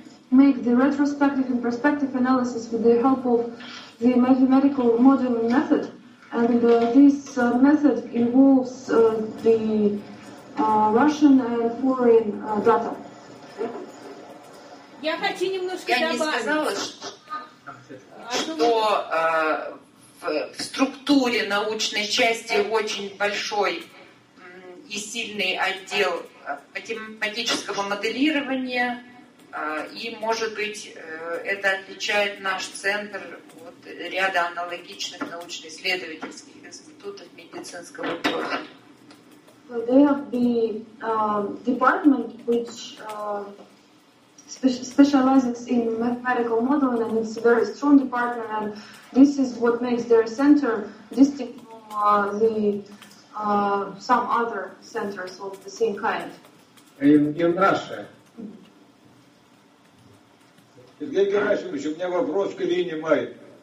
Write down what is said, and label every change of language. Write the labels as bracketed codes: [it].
[en] Make the retrospective and prospective analysis with the help of the mathematical modeling method, and this method involves the Russian and foreign data. [ru] Я хочу немножко добавить. Я не сказала, что в структуре научной части очень большой и сильный отдел математического моделирования. И, может быть, это отличает наш центр от ряда аналогичных научно-исследовательских институтов медицинского профиля. [en] They have the department which specializes in mathematical modeling, and it's a very strong department, and this is what makes their center distinct from the some other centers of the same kind. In Russia. [ru] Сергей Герасимович, у меня вопрос к Ирине Май.